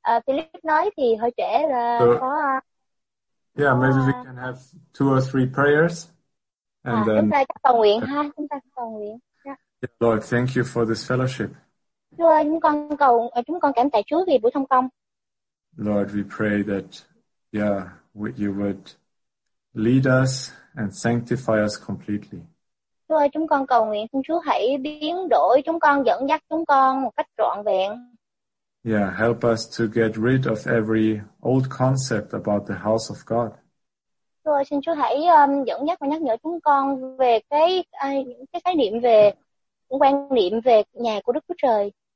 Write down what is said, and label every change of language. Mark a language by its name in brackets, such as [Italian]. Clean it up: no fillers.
[Vietnamese] Philip nói thì hơi trễ có... [English] Yeah, maybe we can have two or three prayers. And then... [Vietnamese] Chúng ta cầu nguyện ha, chúng ta cầu nguyện. [English] Yeah. Lord, thank you for this fellowship. [Vietnamese] Chúa ơi, chúng con cảm tạ Chúa vì buổi thông công. [English] Lord, we pray that, you would lead us and sanctify us completely. [Vietnamese] Chúa ơi, chúng con cầu nguyện xin Chúa hãy biến đổi chúng con, dẫn dắt chúng con một cách trọn vẹn. [English] Yeah, help us to get rid of every old concept about the house of God. [Vietnamese] Chúa ơi, xin Chúa hãy dẫn dắt và nhắc nhở chúng con về cái khái niệm về quan niệm về nhà của Đức Chúa Trời.